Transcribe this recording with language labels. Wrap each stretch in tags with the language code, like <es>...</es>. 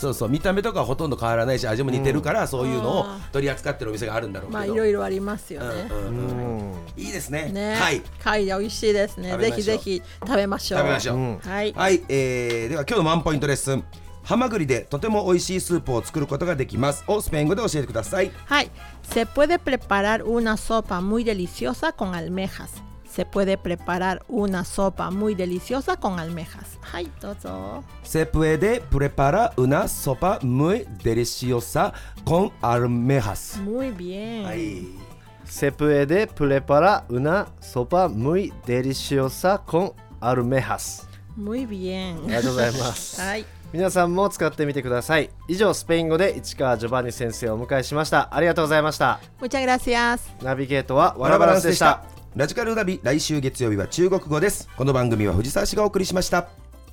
<ja>そうそう、見た目とかほとんど変わらないし味も似てるから、うん、そういうのを取り扱ってるお店があるんだろうけど、まあいろいろありますよね、うんうんうん、いいですね、ね、貝、貝で美味しいですね、ぜひぜひ食べましょう、食べましょう、うん、はい、はい、では今日のワンポイントレッスン、ハマグリでとても美味しいスープを作ることができますをスペイン語で教えてください。</ja> <es>はい、se puede preparar una sopa muy deliciosa con almejas. Se puede preparar una sopa muy deliciosa con almejas.</es> <ja>はい、どうぞ。</ja> <es>se puede preparar una sopa muy deliciosa con almejas. Muy bien.</es> <ja>はい、</ja> <es>se puede preparar una sopa muy deliciosa con almejas. Muy bien.</es> <ja>ありがとうございます。はい、皆さんも使ってみてください。以上、スペイン語で市川ジョバンニ先生をお迎えしました。ありがとうございました。</ja> <es>Muchas gracias。</es> <ja>ナビゲートはワラバランスでした。ラジカルナビ、来週月曜日は中国語です。この番組は藤沢市がお送りしました。</ja>